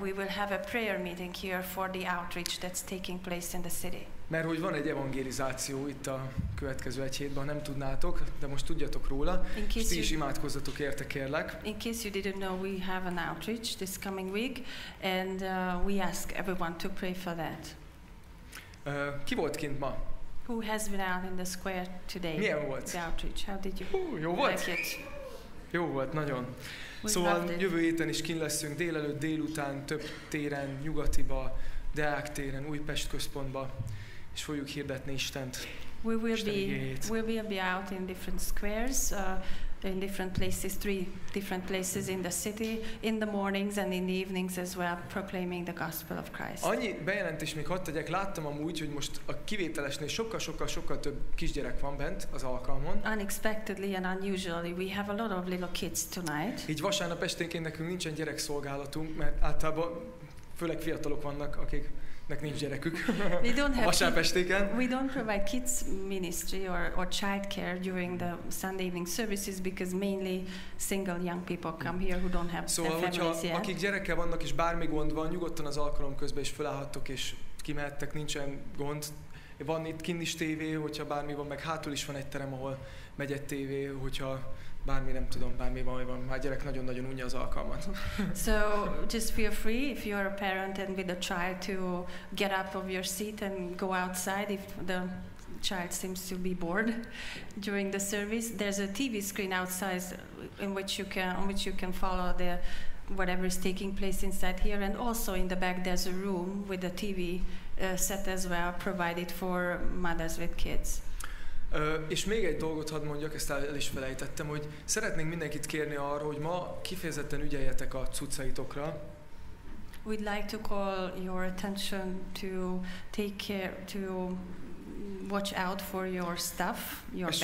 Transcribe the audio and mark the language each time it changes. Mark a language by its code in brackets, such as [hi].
[en] we will have a prayer meeting here for the outreach that's taking place in the city. [hu] Mert hogy van egy evangelizáció itt a következő egy hétben, nem tudnátok, de most tudjatok róla, és ti is imádkozzatok érte, kérlek. [en] In case you didn't know, we have an outreach this coming week, and we ask everyone to pray for that. [hu] Ki volt kint ma? [en] Who has been out in the square today? [hu] Milyen volt? [en] The outreach, how did you [hu] jó volt? [en] Like it? [hu] Jó volt, nagyon. [en] We [hu] szóval jövő héten is kint leszünk, délelőtt, délután, több téren, Nyugatiba, Deák téren, Újpest központba. És fogjuk hirdetni Istent. [en] We will be out in different squares, in different places, three different places in the city, in the mornings and in the evenings as well, proclaiming the gospel of Christ. [hu] Annyi bejelentés még hadd tegyek, láttam amúgy, hogy most a kivételesnél sokkal több kisgyerek van bent az alkalmon. [en] Unexpectedly and unusually, we have a lot of little kids tonight. [hu] Így vasárnap esténként nekünk nincsen gyerekszolgálatunk, mert általában főleg fiatalok vannak, akik nek nincs gyerekük. [en] We don't provide kids ministry or child care during the Sunday evening services because mainly single young people come here who don't have [hu] szóval, [en] their families yet. [hu] Akik gyerekkel vannak és bármi gond van, nyugodtan az alkalom közben is felállhattok és kimehettek, nincsen gond. Van itt kint is tévé, hogyha bármi van, meg hátul is van egy terem, ahol megy egy tévé, hogyha bármi, nem tudom, bármi baj van, már gyerek nagyon-nagyon unja az alkalmat. [en] So, just feel free, if you are a parent and with a child, to get up of your seat and go outside if the child seems to be bored during the service. There's a TV screen outside in which you can, on which you can follow the whatever is taking place inside here, and also in the back there's a room with a TV set as well, provided for mothers with kids. [hu] És még egy dolgot hadd mondjak, ezt el is felejtettem, hogy szeretnénk mindenkit kérni arra, hogy ma kifejezetten ügyeljetek a cuccaitokra. [en] We'd like to call your attention to take care, to watch out for your stuff, your bags.